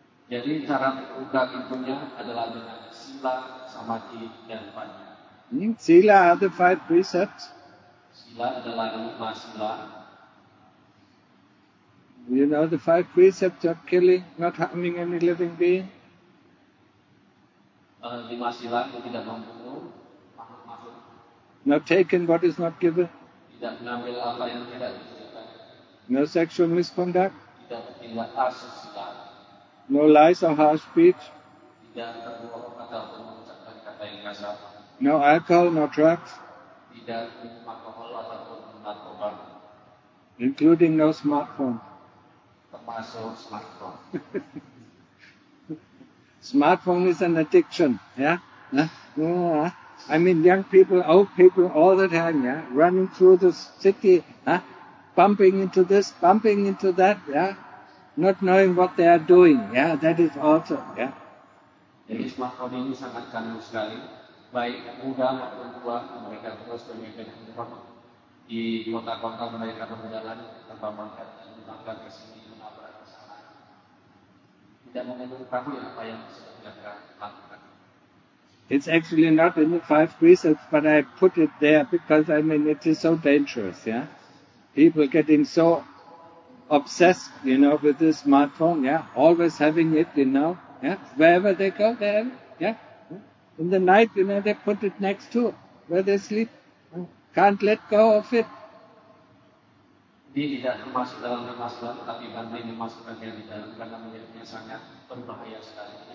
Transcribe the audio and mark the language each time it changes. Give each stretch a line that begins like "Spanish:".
Indonesian: Jadi cara membuka pintunya adalah dengan sila samadhi dan panya.
English: Sila are the five precepts.
Indonesian: Sila adalah lima sila.
English: You know the five precepts of killing, not harming any living being.
Indonesian: Lima sila itu tidak membunuh makhluk-makhluk.
English: Not taking what is not given.
Indonesian: Tidak mengambil apa yang tidak diberikan.
English: No sexual misconduct.
Indonesian: Tidak bertindak asusila.
English: No lies or harsh speech.
Indonesian: Tidak berbohong atau mengucapkan kata yang kasar.
English: No alcohol, no drugs.
Indonesian: Tidak minum alkohol ataupun narkoba.
English: Including no smartphone.
Indonesian: Termasuk smartphone.
English: Smartphone is an addiction, yeah? Yeah. I mean, young people, old people, all the time, yeah, running through the city, huh? Bumping into this, bumping into that, yeah, not knowing what they are doing, yeah, that is also, yeah.
Indonesian: Jadi smartphone ini sangat kandung sekali, baik muda maupun tua, mereka terus bermain di kota-kota mereka berjalan tanpa mengangkat ke sini menabrak ke sana, tidak mengetahui apa yang sedang mereka lakukan.
English: It's actually not in the five precepts, but I put it there because, I mean, it is so dangerous, yeah? People getting so obsessed, you know, with this smartphone, yeah? Always having it, you know, yeah? Wherever they go, they have it, yeah? In the night, you know, they put it next to where they sleep. Can't let go of it.
Indonesian: Ini tidak termasuk dalam masalah, tapi bantai ini masuk ke dalam karena menjadinya sangat berbahaya sekali.